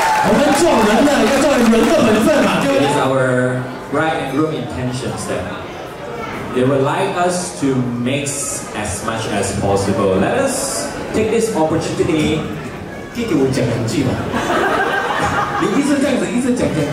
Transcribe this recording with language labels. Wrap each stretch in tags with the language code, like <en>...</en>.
<zh>我们做人呢，要做人的本分嘛，对不对？</zh> <en>It's our bride and groom intentions that they would like us to mix as much as possible. Let us take this opportunity.</en> <zh>弟弟，我讲两句嘛。你一直这样子，一直讲。</zh>